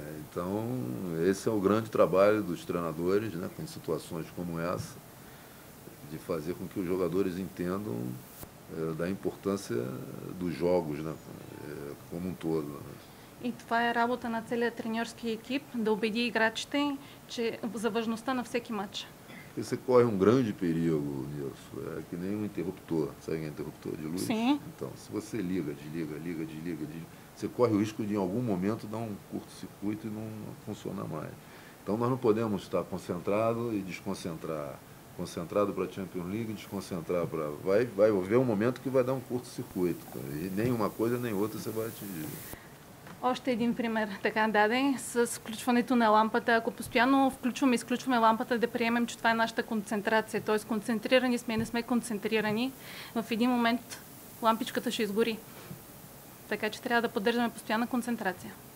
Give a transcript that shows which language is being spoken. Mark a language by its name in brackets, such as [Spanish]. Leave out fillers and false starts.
[Portuguese] Então, esse é o grande trabalho dos treinadores, né, em situações como essa, de fazer com que os jogadores entendam da importância dos jogos, né, como um todo. [Bulgarian] И това е работа на целия треньорски екип, да убеди играчите, че за важността на всеки матч. И се кое е [Portuguese] grande perigo, [Bulgarian] Нилсо. [Portuguese] Е que nem interruptor, sabe que interruptor de luz? Sim. Então, se você liga, desliga, liga, desliga, você corre o risco de em algum momento dar um curto-circuito e não funcionar mais. Então, nós não podemos estar concentrado e desconcentrar. Concentrado para a Champions League, desconcentrar para... Vai haver um momento que vai dar um curto-circuito. E nem uma coisa, nem outra você vai atingir. [Bulgarian] Още един пример, така даден, с включването на лампата. Ако постоянно включваме и изключваме лампата, да приемем, че това е нашата концентрация, т.е. концентрирани сме и не сме концентрирани, в един момент лампичката ще изгори. Така че трябва да поддържаме постоянна концентрация.